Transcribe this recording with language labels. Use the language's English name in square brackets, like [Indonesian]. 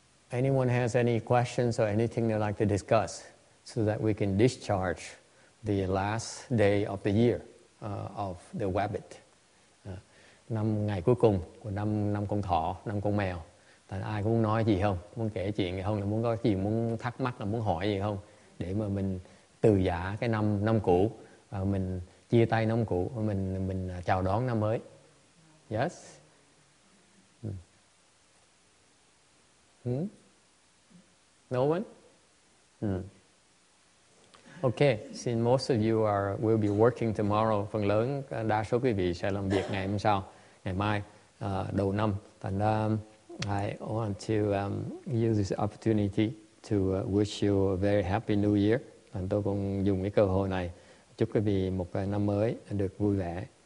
[English] Anyone has any questions or anything they'd like to discuss so that we can discharge the last day of the year of the rabbit? [Vietnamese] Năm ngày cuối cùng của năm con thỏ, năm con mèo. Tại ai cũng nói gì không? Muốn kể chuyện gì không? Muốn có gì muốn thắc mắc là muốn hỏi gì không? Để mà mình từ giã cái năm cũ và mình chia tay năm cũ và mình chào đón năm mới. [English] Yes. No one? Okay, since most of you will be working tomorrow, [Vietnamese] phần lớn đa số quý vị sẽ làm việc ngày hôm sau, ngày mai, đầu năm. [English] And I want to use this opportunity to wish you a very happy new year. [Vietnamese] And tôi cũng dùng cái cơ hội này chúc quý vị một năm mới được vui vẻ.